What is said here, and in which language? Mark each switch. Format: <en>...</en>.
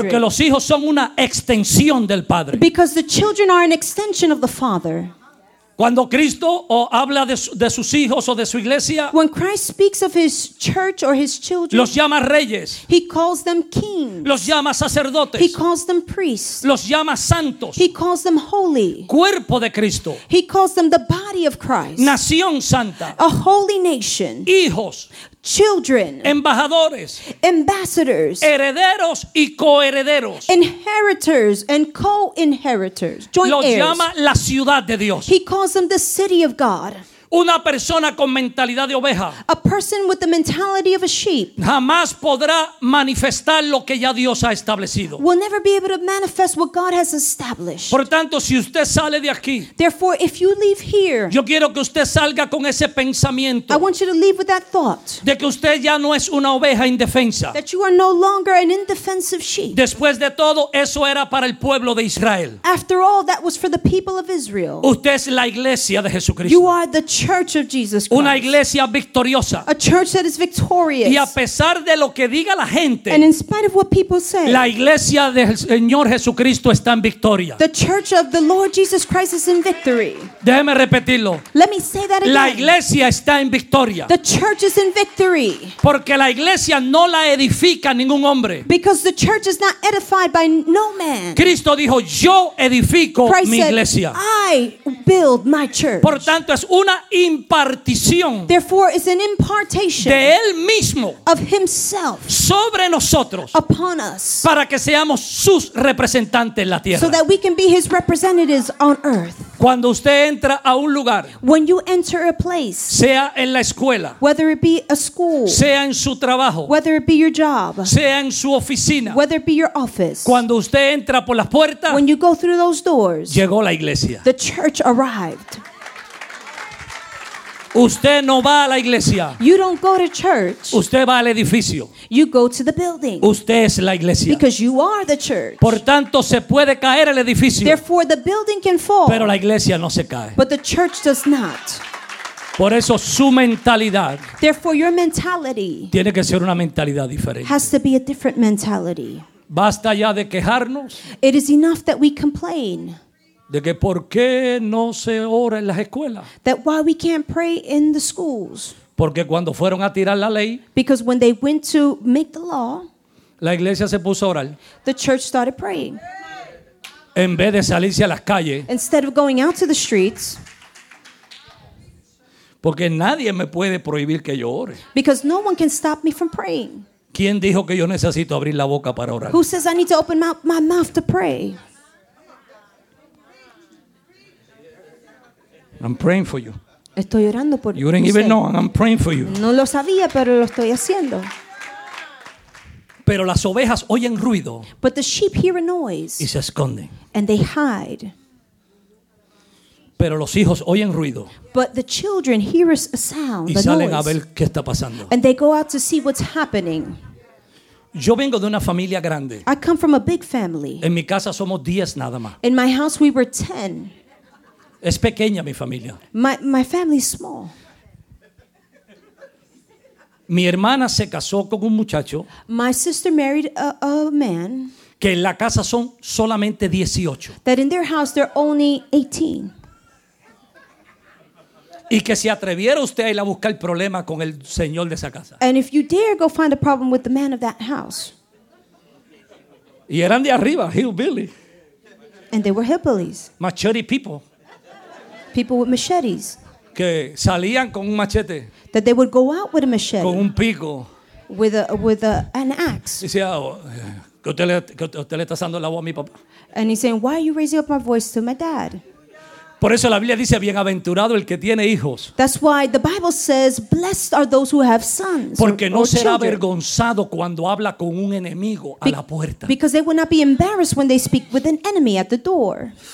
<es>Porque los hijos son una extensión del padre.</es> <en>Because the children are an extension of the father.</en> <es>Cuando Cristo habla de sus hijos o de su iglesia,</es> <en>when Christ speaks of his church or his children,</en> <es>los llama reyes.</es> <en>He calls them kings.</en> <es>Los llama sacerdotes.</es> <en>He calls them priests.</en> <es>Los llama santos.</es> <en>He calls them holy.</en> <es>Cuerpo de Cristo.</es> <en>He calls them the body of Christ.</en> <es>Nación santa.</es> <en>A holy nation.</en> <es>Hijos.</es> <en>Children.</en> <es>Embajadores.</es> <en>Ambassadors.</en> <es>Herederos y coherederos.</es> <en>Inheritors and co-inheritors. Joint</en> <es>los</es> <en>heirs.</en> <es>Llama la ciudad de Dios.</es> <en>He calls them the city of God.</en> <es>Una persona con mentalidad de oveja,</es> <en>a person with the mentality of a sheep,</en> <es>jamás podrá manifestar lo que ya Dios ha establecido.</es> <en>Will never be able to manifest what God has established.</en> <es>Por tanto, si usted sale de aquí,</es> <en>therefore, if you leave here,</en> <es>yo quiero que usted salga con ese pensamiento,</es> <en>I want you to leave with that thought,</en> <es>de que usted ya no es una oveja indefensa,</es> <en>that you are no longer an indefensive sheep.</en> <es>Después de todo, eso era para el pueblo de Israel.</es> <en>After all, that was for the people of Israel.</en> <es>Usted es la iglesia de Jesucristo.</es> <en>You are the church of Jesus Christ.</en> <es>Una iglesia victoriosa.</es> <en>A church that is victorious.</en> <es>Y a pesar de lo que diga la gente,</es> <en>and in spite of what people say,</en> <es>la iglesia del Señor Jesucristo está en victoria.</es> <en>The church of the Lord Jesus Christ is in victory.</en> <es>Déjeme repetirlo.</es> <en>Let me say that again.</en> <es>La iglesia está en victoria.</es> <en>The church is in victory.</en> <es>Porque la iglesia no la edifica ningún hombre.</es> <en>Because the church is not edified by no man.</en> <es>Cristo dijo, yo edifico</es> <en>Christ</en> <es>mi iglesia.</es> <en>Said, I build my church.</en> <es>Por tanto, es una impartición,</es> <en>therefore is an impartation,</en> <es>de él mismo,</es> <en>of himself,</en> <es>sobre nosotros,</es> <en>upon us,</en> <es>para que seamos sus representantes en la tierra,</es> <en>so that we can be his representatives on earth.</en> <es>Cuando usted entra a un lugar,</es> <en>when you enter a place,</en> <es>sea en la escuela,</es> <en>whether it be a school,</en> <es>sea en su trabajo,</es> <en>whether it be your job,</en> <es>sea en su oficina,</es> <en>whether it be your office,</en> <es>cuando usted entra por las puertas,</es> <en>when you go through those doors,</en> <es>llegó la iglesia,</es> <en>the church arrived.</en> <es>Usted no va a la iglesia.</es> <en>You don't go to church.</en> <es>Usted va al edificio.</es> <en>You go to the building.</en> <es>Usted es la iglesia.</es> <en>Because you are the church.</en> <es>Por tanto, se puede caer el edificio.</es> <en>Therefore, the building can fall.</en> <es>Pero la iglesia no se cae.</es> <en>But the church does not.</en> <es>Por eso su mentalidad,</es> <en>therefore, your mentality,</en> <es>tiene que ser una mentalidad diferente.</es> <en>Has to be a different mentality.</en> <es>Basta ya de quejarnos.</es> <en>It is enough that we complain.</en> <es>De que por qué no se ora en las escuelas.</es> <en>That why we can't pray in the schools.</en> <es>Porque cuando fueron a tirar la ley.</es> <en>Because when they went to make the law.</en> <es>La iglesia se puso a orar.</es> <en>The church started praying.</en> <es>En vez de salirse a las calles.</es> <en>Instead of going out to the streets.</en> <es>Porque nadie me puede prohibir que yo ore.</es> <en>Because no one can stop me from praying.</en> <es>¿Quién dijo que yo necesito abrir la boca para orar?</es> <en>Who says I need to open my mouth to pray? I'm praying for you.</en> <es>Estoy orando por</es> <en>you didn't</en> <es>usted.</es> <en>Even know, I'm praying for you.</en> <es>No lo sabía, pero lo estoy haciendo. Pero las ovejas oyen ruido.</es> <en>But the sheep hear a noise.</en> <es>Y se esconden.</es> <en>And they hide.</en> <es>Pero los hijos oyen ruido.</es> <en>But the children hear a sound,</en> <es>y salen</es> <en>noise,</en> <es>a ver qué está pasando.</es> <en>And they go out to see what's happening.</en> <es>Yo vengo de una familia grande.</es> <en>I come from a big family.</en> <es>En mi casa somos 10 nada más.</es> <en>In my house we were 10.</en> <es>Es pequeña mi familia.</es> <en>My family is small.</en> <es>Mi hermana se casó con un muchacho.</es> <en>My sister married a man.</en> <es>Que en la casa son solamente 18.</es> <en>That in their house they're only 18.</en> <es>Y que si atreviera usted a ir a buscar el problema con el señor de esa casa.</es> <en>And if you dare go find a problem with the man of that house.</en> <es>Y eran de arriba, hillbilly.</es> <en>And they were hillbillies. Machete people. People with machetes.</en> <es>Que salían con un machete.</es> <en>That they would go out with a machete.</en> <es>Con un pico.</es> <en>With an axe.</en> <es>Decía, ¿qué usted le está dando la voz a mi papá?</es> <en>And he's saying, why are you raising up my voice to my dad?</en> <es>Por eso la Biblia dice, bienaventurado el que tiene hijos.</es> <en>That's why the Bible says, blessed are those who have sons.</en> <es>Porque no será</es> <en>children.</en> <es>Avergonzado cuando habla con un enemigo a la puerta.</es> <en>Because they will not be embarrassed when they speak with an enemy at the door.</en>